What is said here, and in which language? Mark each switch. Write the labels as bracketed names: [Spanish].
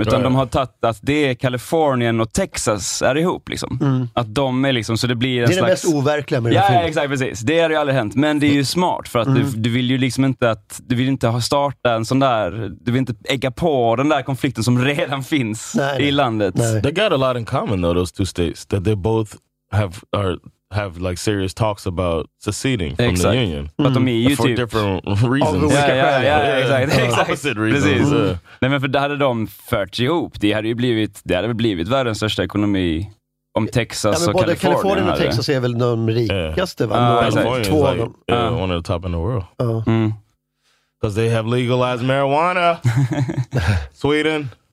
[Swedish] Utan de har tagit att det är Kalifornien och Texas är ihop liksom. Mm. Att de är liksom, så det blir en slags. Det är slags, det mest overkliga med den filmen. Ja, exakt, precis. Det har ju aldrig hänt. Men det är ju smart för att du vill ju liksom inte att, du vill inte ha startat en sån där, du vill inte ägga på den där konflikten som redan finns i landet. Nej. [English] They got a lot in common though, those two states. That they both have like serious talks about seceding from the union. But to me, you for different reasons. Yeah, exactly. Opposite reasons. [Swedish] Nej, men för det hade de fört ihop. Det hade ju blivit, det hade blivit världens största ekonomi om Texas och både Kalifornien och Texas är väl de rikaste, va? Två av dem. [English] One of the top in the world. Because they have legalized marijuana. Sweden.